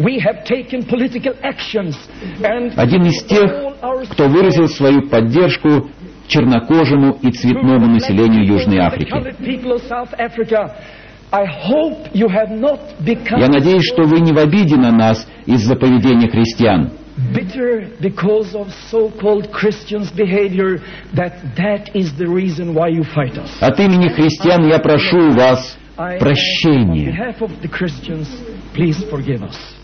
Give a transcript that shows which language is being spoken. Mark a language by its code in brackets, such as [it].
[ru] Один из тех, кто выразил свою поддержку чернокожему и цветному населению Южной Африки. Я надеюсь, что вы не в обиде на нас из-за поведения христиан. [en] Bitter because of so-called Christians' behavior, that is the reason why you fight us. [ru] От имени христиан я прошу у вас прощения. [en] On behalf of the Christians, please forgive us.